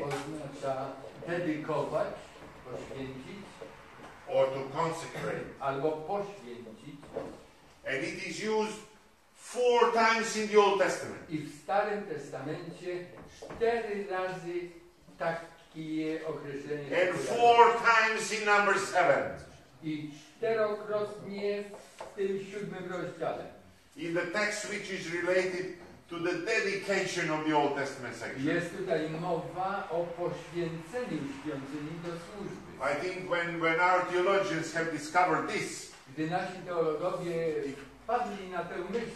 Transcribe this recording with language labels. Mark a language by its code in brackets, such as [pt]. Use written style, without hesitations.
[pl] oznacza dedykować, poświęcić, [en] or to consecrate, [pl] albo poświęcić, [en] and it is used four times in the Old Testament. [pl] I w Starym Testamencie cztery razy takie określenie. [en] And four times in number seven. [pl] I czterokrotnie w tym siódmym rozdziale. [en] In the text which is related to the dedication of the Old Testament section. [pl] Jest tutaj mowa o poświęceniu świątyni do służby. [en] I think when our theologians have discovered this. [pl] Gdy nasi teologowie padli na tę myśl,